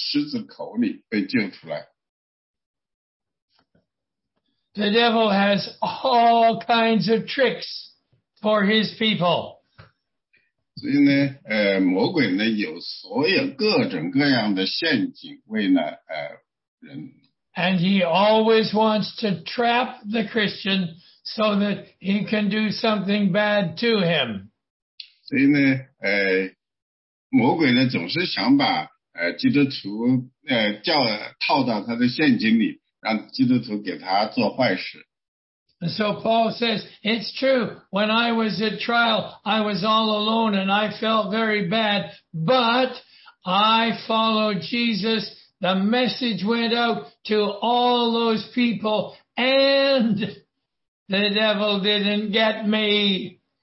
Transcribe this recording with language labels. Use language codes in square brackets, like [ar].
[zh] 所以第17节呢，结尾处说呢，我也从狮子口里被救出来。 [en] The devil has all kinds of tricks for his people. [zh] 所以呢，魔鬼呢有所有各种各样的陷阱为呢人。 [en] And he always wants to trap the Christian so that he can do something bad to him. [zh] 所以呢，魔鬼呢总是想把基督徒套到他的陷阱里。 [en] So Paul says, it's true. When I was at trial, I was all alone and I felt very bad. But I followed Jesus. The message went out to all those people and the devil didn't get me.